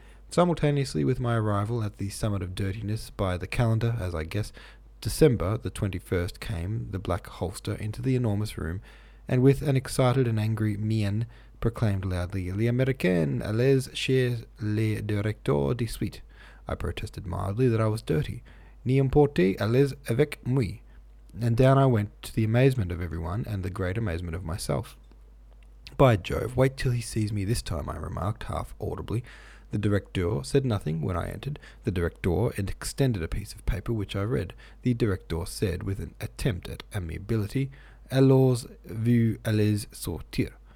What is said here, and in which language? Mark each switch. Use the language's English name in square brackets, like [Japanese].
[English] Simultaneously with my arrival at the summit of dirtiness by the calendar, as I guess, December the 21st came the black holster into the enormous room, and with an excited and angry mien proclaimed loudly, [French] "Les Américains, allez chez le directeur de suite." [English] I protested mildly that I was dirty. [French] "N'y importe, allez avec moi." [English] And down I went, to the amazement of everyone, and the great amazement of myself. "By Jove, wait till he sees me this time," I remarked, half audibly. The directeur said nothing when I entered. The directeur extended a piece of paper, which I read. The directeur said, with an attempt at amiability, [French] "Alors, vous allez sortir."